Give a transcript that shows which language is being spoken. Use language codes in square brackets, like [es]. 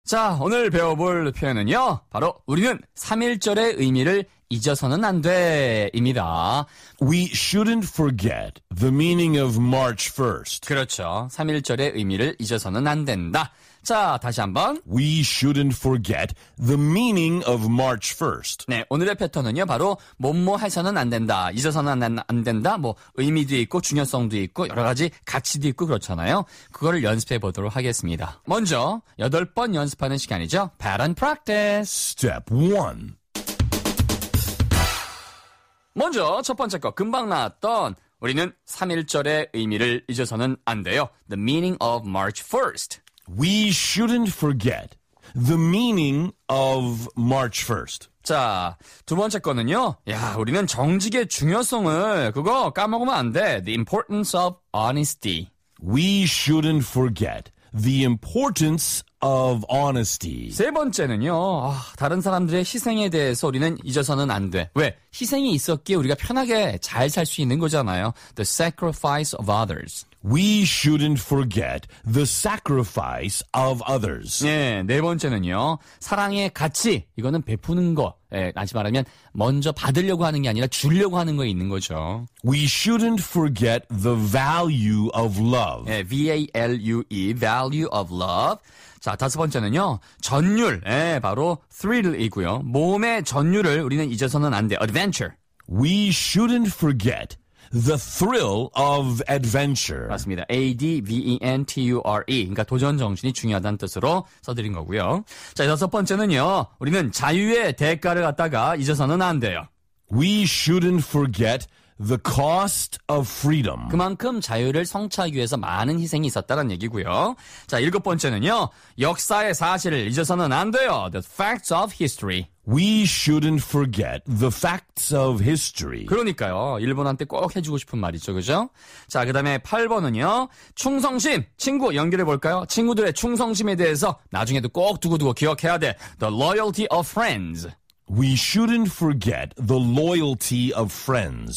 [ko] 자, 오늘 배워볼 표현은요. 바로 우리는 3.1절의 의미를 잊어서는 안 돼 입니다. [en] We shouldn't forget the meaning of March 1st. [ko] 그렇죠. 3.1절의 의미를 잊어서는 안 된다. 자, 다시 한번. [en] We shouldn't forget the meaning of March 1st. [ko] 네, 오늘의 패턴은요. 바로 뭐뭐 해서는 안 된다. 잊어서는 안 된다. 뭐 의미도 있고 중요성도 있고 여러 가지 가치도 있고 그렇잖아요. 그거를 연습해 보도록 하겠습니다. 먼저 8번 연습하는 시간이죠. [en] Pattern practice. Step 1. [ko] 먼저 첫 번째 거 금방 나왔던 우리는 3.1절의 의미를 잊어서는 안 돼요. [en] The meaning of March 1st. We shouldn't forget the meaning of March 1st. [ko] 자, 두 번째 거는요. 야, 우리는 정직의 중요성을 그거 까먹으면 안 돼. [en] The importance of honesty. We shouldn't forget the importance of honesty. [ko] 세 번째는요. 아, 다른 사람들의 희생에 대해서 우리는 잊어서는 안 돼. 왜? 희생이 있었기에 우리가 편하게 잘 살 수 있는 거잖아요. [en] The sacrifice of others. We shouldn't forget the sacrifice of others. [ko] 네, 네 번째는요. 사랑의 가치, 이거는 베푸는 거. 예, 다시 말하면 먼저 받으려고 하는 게 아니라 주려고 하는 거에 있는 거죠. [en] We shouldn't forget the value of love. [ko] 예, V-A-L-U-E, [en] value of love. [ko] 자, 다섯 번째는요. 전율, 예, 바로 thrill이고요. 모험의 전율을 우리는 잊어서는 안 돼. [en] Adventure. We shouldn't forget the thrill of adventure. [ko] 맞습니다. A-D-V-E-N-T-U-R-E. 그러니까 도전 정신이 중요하다는 뜻으로 써드린 거고요. 자, 여섯 번째는요. 우리는 자유의 대가를 갖다가 잊어서는 안 돼요. [en] We shouldn't forget the cost of freedom. [ko] 그만큼 자유를 성취하기 위해서 많은 희생이 있었다는 얘기고요. 자, 일곱 번째는요. 역사의 사실을 잊어서는 안 돼요. [en] The facts of history. We shouldn't forget the facts of history. [ko] 그러니까요. 일본한테 꼭 해주고 싶은 말이죠. 그죠? 자, 그 다음에 8번은요. 충성심. 친구 연결해볼까요? 친구들의 충성심에 대해서 나중에도 꼭 두고두고 기억해야 돼. [en] The loyalty of friends. We shouldn't forget the loyalty of friends.